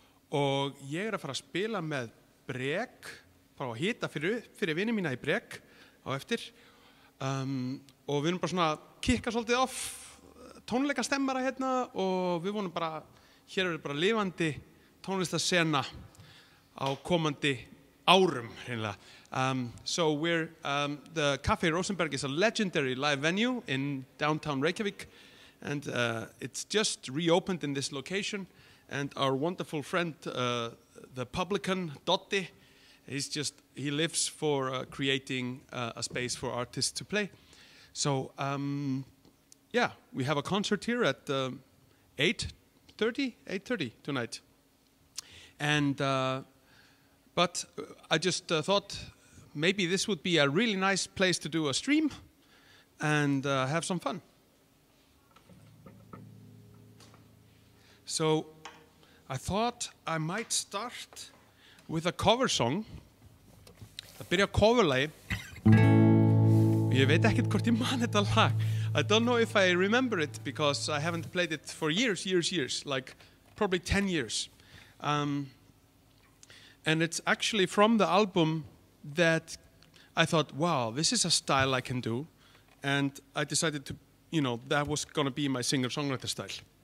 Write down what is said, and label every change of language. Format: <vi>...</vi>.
<is>og ég að fara að spila með brek, bara að hita fyrir vini mína í brek á eftir og við erum bara svona kikka svolítið off tónleika stemmara hérna og við vonum bara, hér bara lifandi tónlistasena á komandi árum, hreinlega.</is> <en>So we're, the Café Rosenberg is a legendary live venue in downtown Reykjavík and it's just reopened in this location and our wonderful friend, the publican, Dotti, he's just he lives for creating a space for artists to play. So yeah, we have a concert here at 8:30 tonight. And but I just thought maybe this would be a really nice place to do a stream and have some fun. So I thought I might start with a cover song. A bit of cover lay.</en> <is>Ég veit ekkert hvort ég man þetta lag.</is> <en>I don't know if I remember it because I haven't played it for years, like probably 10 years. And it's actually from the album that I thought, wow, this is a style I can do. And I decided to, you know, that was going to be my singer-songwriter style.</en>